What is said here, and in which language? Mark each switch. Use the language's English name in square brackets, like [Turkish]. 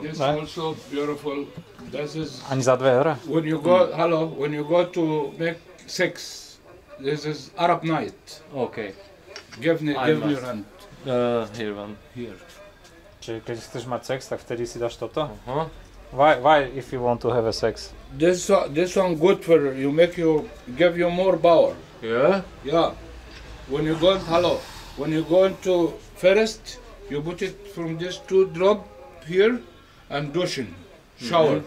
[English] And this is also beautiful. This is [Slovak] ani za 2 eurá? [English] When you go, hello, when you go to make sex, this is Arab night. Okay. Give me your hand. Here one. Here. [Slovak] Čiže keď chceš mať sex, tak vtedy si dáš toto? Uh-huh. [English] Why if you want to have a sex? This one good for you, make you give you more power. Yeah? Yeah. When you go, hello. When you go to first, you put it from this two drop here and douching, shower.